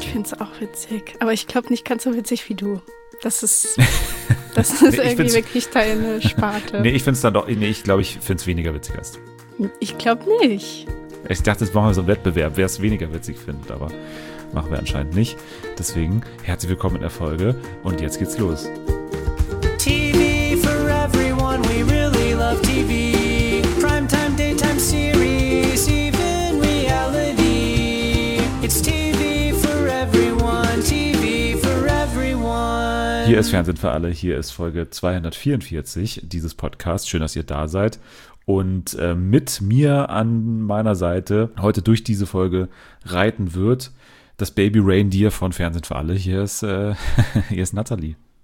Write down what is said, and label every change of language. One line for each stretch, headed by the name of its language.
German: Ich finde es auch witzig, aber ich glaube nicht ganz so witzig wie du. Das ist nee, irgendwie wirklich deine Sparte. Ich glaube, ich finde es weniger witzig als du. Ich glaube nicht. Ich dachte, jetzt machen wir so einen Wettbewerb, wer es weniger witzig findet, aber machen wir anscheinend nicht. Deswegen herzlich willkommen in der Folge und jetzt geht's los.
English: TV for everyone, we really love TV. Primetime, daytime series, even reality. It's TV for everyone, TV for everyone.
German: Hier ist Fernsehen für alle, hier ist Folge 244 dieses Podcast. Schön, dass ihr da seid. Und mit mir an meiner Seite heute durch diese Folge reiten wird das Baby Reindeer von Fernsehen für alle. Hier ist Nathalie.